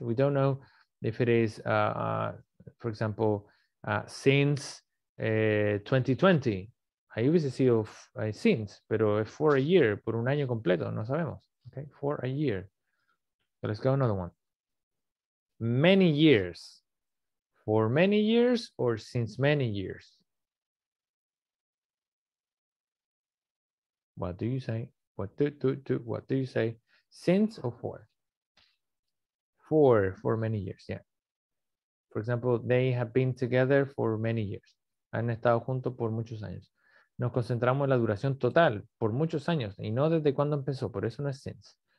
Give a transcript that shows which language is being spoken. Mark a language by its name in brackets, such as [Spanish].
[English] We don't know if it is, for example, since 2020. [Spanish] Ahí hubiese sido since, pero es [English] for a year, [Spanish] por un año completo, no sabemos. [English] Okay, for a year. So let's go another one. Many years. For many years or since many years? What do you say? What do you say? Since or for? For many years, yeah. For example, they have been together for many years. [Spanish] Han estado juntos por muchos años. Nos concentramos en la duración total por muchos años y no desde cuándo empezó, por eso no es since.